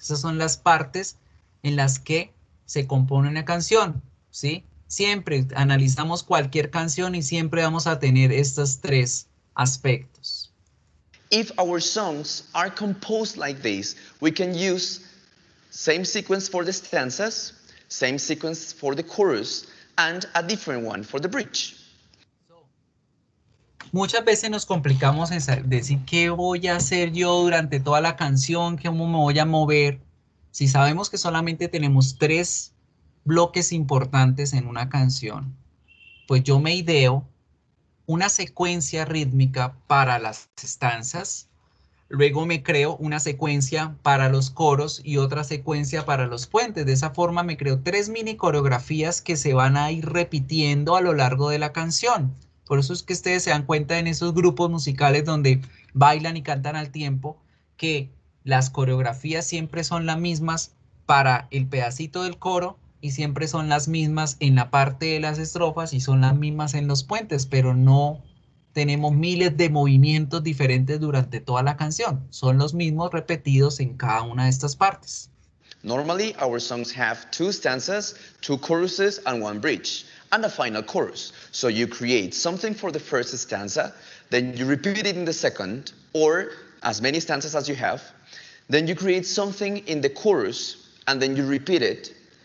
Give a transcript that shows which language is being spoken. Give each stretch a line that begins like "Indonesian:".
Spanish: Esas son las partes en las que se compone una canción, ¿sí? Siempre analizamos cualquier canción y siempre vamos a tener estos tres aspectos.
English: If our songs are composed like this, we can use same sequence for the stanzas, same sequence for the chorus, and a different one for the bridge. So,
Spanish: muchas veces nos complicamos en decir qué voy a hacer yo durante toda la canción, cómo me voy a mover. Si sabemos que solamente tenemos tres bloques importantes en una canción, pues yo me ideo una secuencia rítmica para las estanzas, luego me creo una secuencia para los coros y otra secuencia para los puentes. De esa forma me creo tres mini coreografías que se van a ir repitiendo a lo largo de la canción. Por eso es que ustedes se dan cuenta en esos grupos musicales donde bailan y cantan al tiempo que las coreografías siempre son las mismas para el pedacito del coro y siempre son las mismas en la parte de las estrofas y son las mismas en los puentes, pero no tenemos miles de movimientos diferentes durante toda la canción. Son los mismos repetidos en cada una de estas partes.
English: Normally, our songs have two stanzas, two choruses, and one bridge, and a final chorus. So you create something for the first stanza, then you repeat it in the second, or as many stanzas as you have. Then you create something in the chorus, and then you repeat it.